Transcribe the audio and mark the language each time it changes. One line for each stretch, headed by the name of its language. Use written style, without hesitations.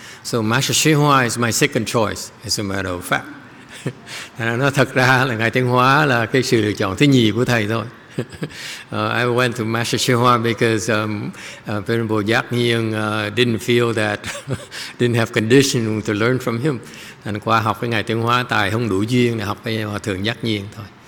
English: So Master Srinivas is my second choice, as a matter of fact.
Vietnamese: Nó thật ra là Ngài Tiên Hóa là cái sự lựa chọn thứ nhì của thầy thôi.
English: I went to Master Srinivas because Venerable Nhất Nhiên didn't feel that, didn't have condition to learn from him.
Vietnamese: Nên qua học với Ngài Tiên Hóa tài không đủ duyên để học với Hòa Thượng Nhất Nhiên thôi.